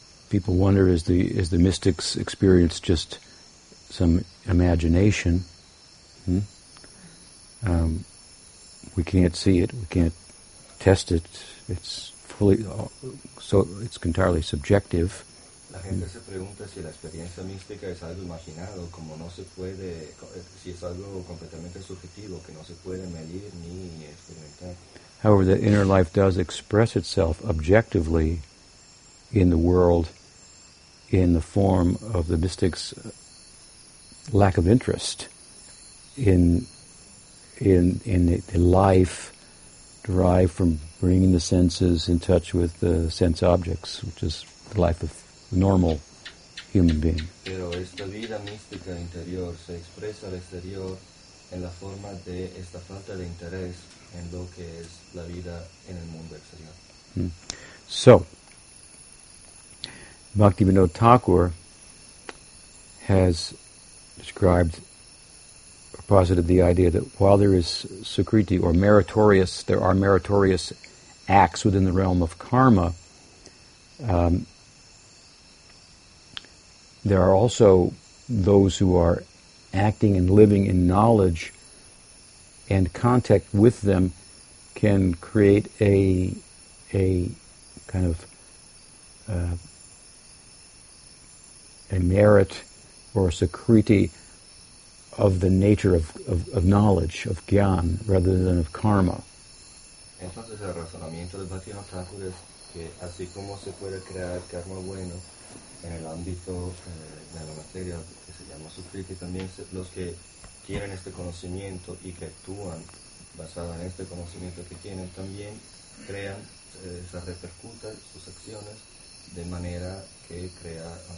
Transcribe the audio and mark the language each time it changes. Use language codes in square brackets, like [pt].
[en] People wonder, is the mystic's experience just some imagination? We can't see it, we can't test it, it's fully, so it's entirely subjective. [es] La gente se pregunta si la experiencia mística es algo imaginado, como no se puede, si es algo completamente subjetivo, que no se puede medir ni experimentar. [en] However, the inner life does express itself objectively in the world, in the form of the mystic's lack of interest in the life derived from bringing the senses in touch with the sense objects, which is the life of normal human being. [es] Pero esta vida mística interior se expresa al exterior en la forma de esta falta de interés en lo que es la vida en el mundo exterior. [en] So, Bhaktivinoda Thakur has described or posited the idea that while there is sukriti or meritorious, there are meritorious acts within the realm of karma, there are also those who are acting and living in knowledge, and contact with them can create a kind of a merit or a sukriti of the nature of knowledge, of gyan, rather than of karma. [es] Entonces el razonamiento de Bhaktivinoda Thakur es que así como se puede crear karma bueno en el ámbito de la materia que se llama sukriti, también los que tienen este conocimiento y que actúan basado en este conocimiento que tienen también crean, se repercutan sus acciones de manera que crea